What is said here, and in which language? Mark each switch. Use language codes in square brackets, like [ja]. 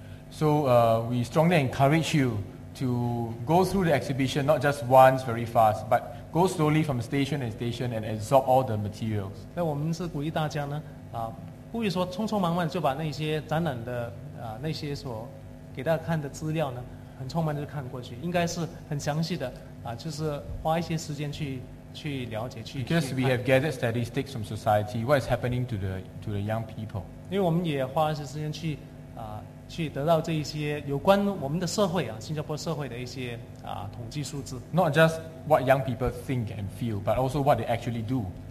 [en] So we strongly encourage you to go through the exhibition not just once very fast, but go slowly from station to station and absorb all the materials. [zh] 那我们是鼓励大家呢，不会说匆匆忙忙就把那些展览的那些所给大家看的资料呢，很匆忙的看过去，应该是很详细的，就是花一些时间去了解去。 [en] Because we have gathered statistics from society, what is happening to the young people? [zh] 因为我们也花一些时间去得到这一些有关我们的社会啊，新加坡社会的一些统计数字。 [en] Not just what young people think and feel, but also what they actually do.